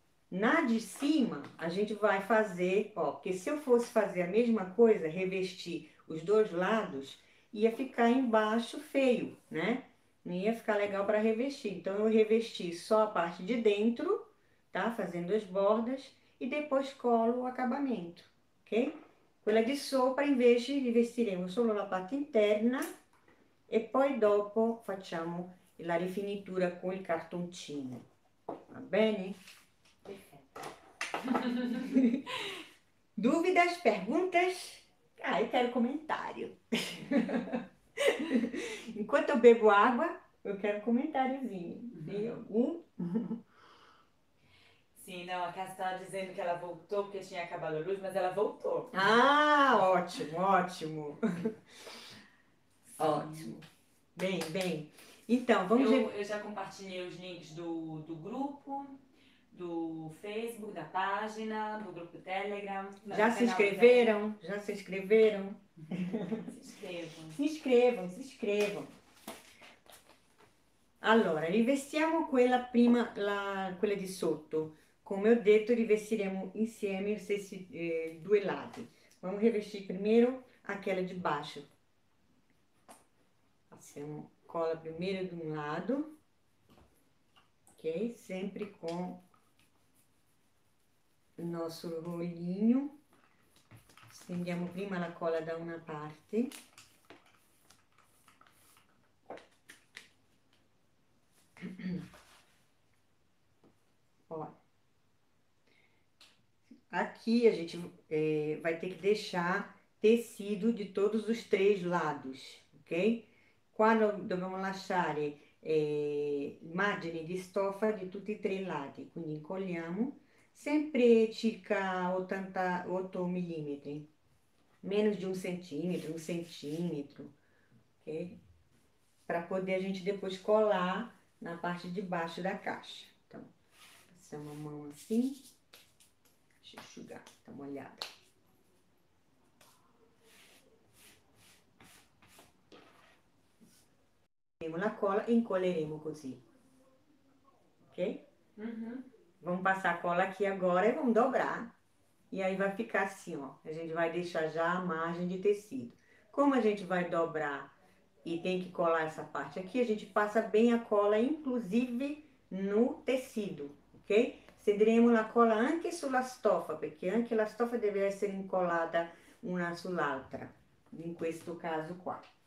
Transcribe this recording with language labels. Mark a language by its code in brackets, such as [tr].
[pt] Na de cima, a gente vai fazer, ó, porque se eu fosse fazer a mesma coisa, revestir os dois lados, ia ficar embaixo feio, né? Não ia ficar legal para revestir. Então, eu revesti só a parte de dentro, tá? Fazendo as bordas, e depois colo o acabamento, ok? [it] Quella di sopra, invece, rivestiremo solo la parte interna e poi dopo facciamo la rifinitura con il cartoncino. Va bene? [pt] Dúvidas, perguntas? Ah, eu quero comentário. Enquanto eu bebo água, eu quero comentáriozinho. Tem algum? Sim, não, a Cássia estava dizendo que ela voltou porque tinha acabado a luz, mas ela voltou. Ah, ótimo, ótimo. Sim. Ótimo. Bem, bem. Então, vamos ver. Eu já compartilhei os links do grupo, do Facebook, da página, do grupo Telegram, Já do se canal do Telegram. inscreveram? Já se inscreveram? Se inscrevam. Se inscrevam, se inscrevam. [it] Allora, rivestiamo quella prima, quella di sotto. Come ho detto, rivestiremo insieme gli stessi due lati. [pt] Vamos revestir primeiro aquela de baixo. [it] Passiamo cola [pt] primeiro [it] di un lato, ok? Sempre con il nostro rollino. Stendiamo prima la colla da una parte. [pt] Aqui a gente vai ter que deixar tecido de todos os três lados, ok? [it] Qua dobbiamo lasciare margine di stoffa di tutti e tre i lati, quindi incolliamo sempre circa 88 mm, meno di un centimetro, ok? [pt] Para poder a gente depois colar na parte de baixo da caixa. Então, passamos a mão assim. Deixa eu enxugar, dá uma olhada. [it] La colla e incolleremo così. Ok? [pt] Vamos passar a colla aqui agora e vamos dobrar. E aí vai ficar assim, ó. A gente vai deixar já a margem de tecido. Como a gente vai dobrar e tem que colar essa parte aqui, a gente passa bem a colla, inclusive no tecido, ok? [it] Stenderemo la colla anche sulla stoffa, perché anche la stoffa deve essere incollata una sull'altra, in questo caso qua.